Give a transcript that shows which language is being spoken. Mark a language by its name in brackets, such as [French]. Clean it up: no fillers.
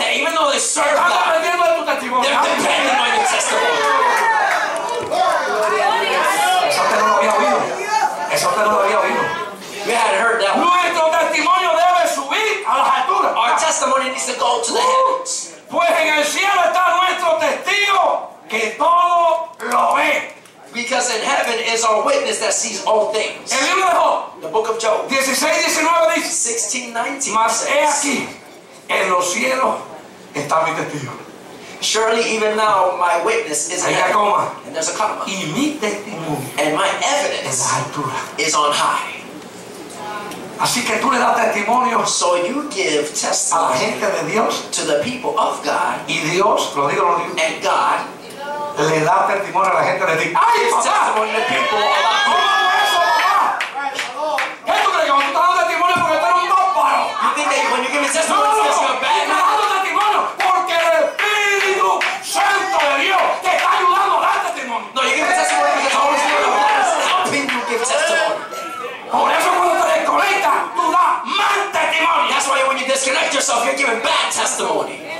[English] that even though they serve God, [Spanish] de [English] they're dependent on your testimony. [Spanish] Eso te lo había oído. [English] We hadn't heard that one. [Spanish] Nuestro testimonio debe subir a las alturas. [English] Our testimony needs to go to the heavens. [Spanish] Pues en el cielo está nuestro testigo que todo lo ve. [English] Because in heaven is our witness that sees all things. [Spanish] El libro de Job, [English] the book of Job. [Spanish] 16:19 dice. 16:19. Mas he aquí, en los cielos está mi testigo. [English] Surely even now my witness is [Spanish] ahí [English] in heaven. [Spanish] Coma. [English] And there's a comma. [Spanish] Y mi testigo. [English] And my evidence [Spanish] en la altura. [English] Is on high. [Spanish] Así que tú le das testimonio. [English] So you give testimony [Spanish] a la gente de Dios. [English] To the people of God. [Spanish] Y Dios, lo digo, lo digo. [English] And God. [Spanish] Le da testimonio a la gente de ti. ¡Ay, papá! ¿Cómo es eso, papá? ¿Tú crees que cuando tú estás dando testimonio porque tú eres un bárbaro? [English] You think that when you give a testimony, [Spanish] no, no, no, dando testimonio porque el Espíritu Santo de Dios te está ayudando a dar testimonio. [English] No, you give a testimony because the Holy Spirit of God is helping you give testimony. [Spanish] Por eso cuando te desconectas, tú das mal testimonio. [English] That's why when you disconnect yourself, you're giving bad testimony.